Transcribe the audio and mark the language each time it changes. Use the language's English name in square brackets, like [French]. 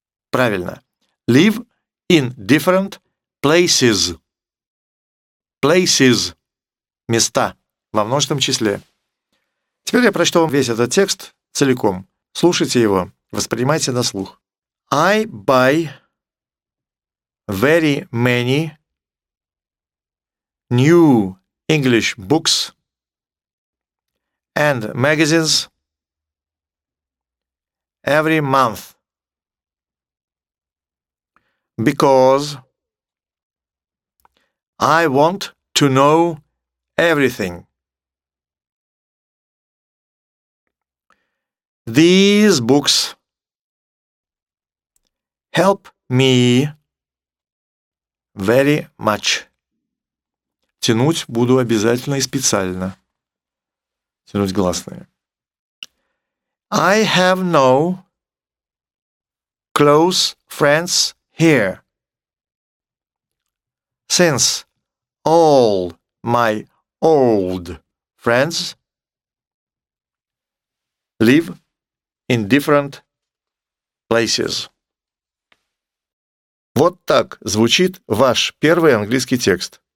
[Russian] Правильно. [English] Live in different places. Places. [Russian] Места. Во множественном числе. Теперь я прочту вам весь этот текст целиком. Слушайте его, воспринимайте на слух. [English] I buy very many new English books and magazines every month because I want to know everything. These books help me very much. [Russian] Тянуть буду обязательно и специально. Тянуть гласные. [English] I have no close friends here. Since all my old friends live in different places. [Russian] Вот так звучит ваш первый английский текст.